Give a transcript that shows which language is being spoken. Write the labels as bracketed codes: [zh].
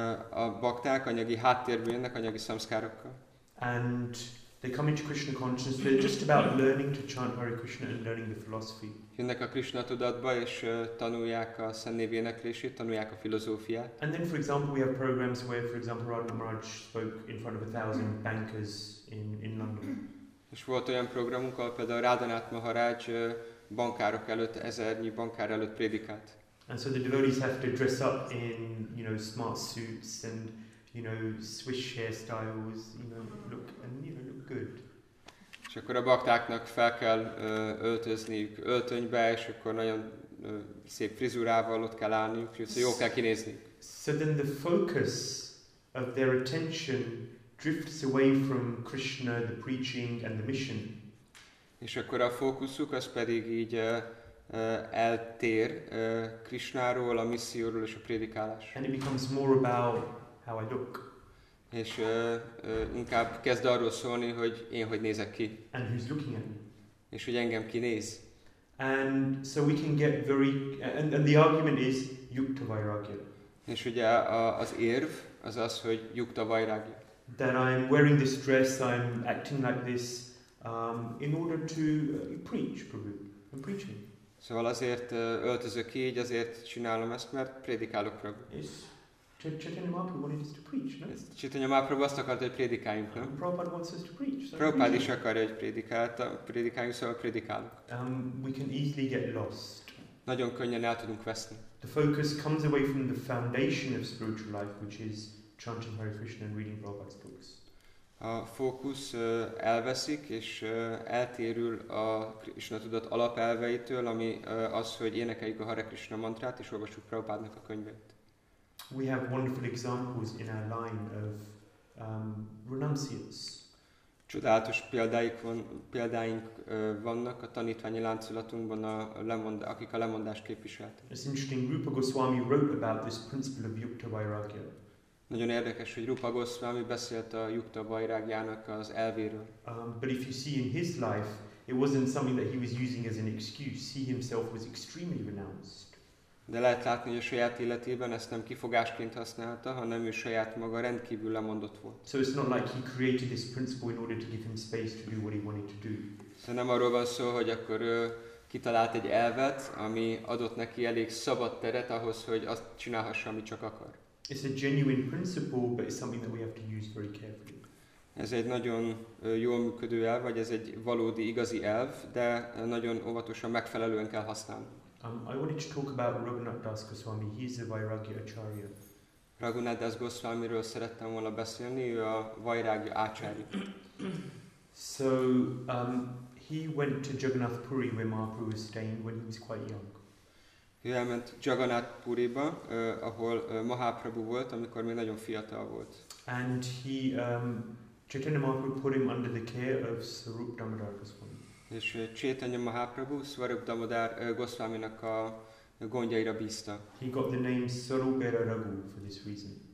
[hu] A bhakták anyagi háttérből jönnek, anyagi samskarokkal. [en] And they come into Krishna consciousness. They're just about learning to chant Hare Krishna and learning the philosophy. [hu] Jönnek a Krishna tudatba és tanulják a szennév éneklését, tanulják a filozófiát. [en] And then, for example, we have programs where, for example, Radha Maharaj spoke in front of 1,000 bankers in London. [hu] És volt olyan programunk, ahol például Radhanath Maharaj bankárok előtt, 1,000 bankár előtt prédikált. [en] And so the devotees have to dress up in, you know, smart suits and, you know, Swiss hairstyles, look good. [hu] És akkor a baktáknak fel kell öltözniük öltönybe, és akkor nagyon szép frizurával ott kell állniuk, és jól kell kinézni. [en] So then the focus of their attention drifts away from Krishna, the preaching and the mission. [hu] És akkor a fókuszuk az pedig így eltér Krishnáról, a misszióról és a prédikálás. [en] And it becomes more about how I look. [hu] És inkább kezd arról szólni, hogy én hogy nézek ki. [en] And who's looking at me. [hu] És hogy engem ki néz. [en] And so we can get very and the argument is yukta vairagya. [hu] És ugye az érv az az, hogy yukta vairagya. [en] That I'm wearing this dress, I'm acting like this in order to preach, probably. I'm preaching. [hu] Szóval azért öltözök így, azért csinálom ezt, mert prédikálok Prabhu. Yes. [en] Chaitanya Mahaprabhu wanted us to preach, no? [hu] Chaitanya Mahaprabhu azt akarta, hogy prédikáljunk, no? [en] Prabhupada wants us to preach, so [hu] Prabhupada is akarja, hogy prédikáljunk, szóval prédikálok. [en] We can easily get lost. [hu] Nagyon könnyen el tudunk veszni. [en] The focus comes away from the foundation of spiritual life, which is chanting Hare Krishna and reading Prabhupada's books. [hu] A fókusz elveszik és eltérül a Krishna tudat alapelveitől, ami az, hogy énekeljük a Hare Krishna mantrát és olvassuk Prabhupádnak a könyveit. [en] We have wonderful examples in our line of renunciates. [hu] Csodálatos példáink vannak a tanítványi láncolatunkban, akik a lemondást képviselték. [en] It's interesting, Rupa Goswami wrote about this principle of yukta vairagya. [hu] Nagyon érdekes, hogy Rupa Goswami beszélt a yukta vairagyának az elvéről. [en] But if you see in his life, it wasn't something that he was using as an excuse. He himself was extremely renounced. [hu] De lehet látni, hogy a saját életében ezt nem kifogásként használta, hanem ő saját maga rendkívül lemondott volt. [en] So it's not like he created this principle in order to give him space to do what he wanted to do. [hu] De nem arról van szó, hogy akkor kitalált egy elvet, ami adott neki elég szabad teret ahhoz, hogy azt csinálhassa, amit csak akar. [en] It's a genuine principle, but it's something that we have to use very carefully. [hu] Ez egy nagyon jól működő elv, vagy ez egy valódi, igazi elv, de nagyon óvatosan, megfelelően kell használni. [en] I wanted to talk about Raghunath Das Goswami. He's a Vairagya Acharya. [hu] Raghunath Das Goswamiről szerettem volna beszélni, ő a Vairagya Acharya. [en] So, he went to Jagannath Puri, where Mahaprabhu was staying when he was quite young. [hu] Ő elment Jagannath Puriba, ahol Mahaprabhu volt, amikor még nagyon fiatal volt. [en] And he, Chaitanya Mahaprabhu put him under the care of Swarup Damodar Goswami. [hu] És Chaitanya Mahaprabhu Swarup Damodar Goswaminak a gondjaira bízta. [en] He got the name Swarupera Raghu for this reason.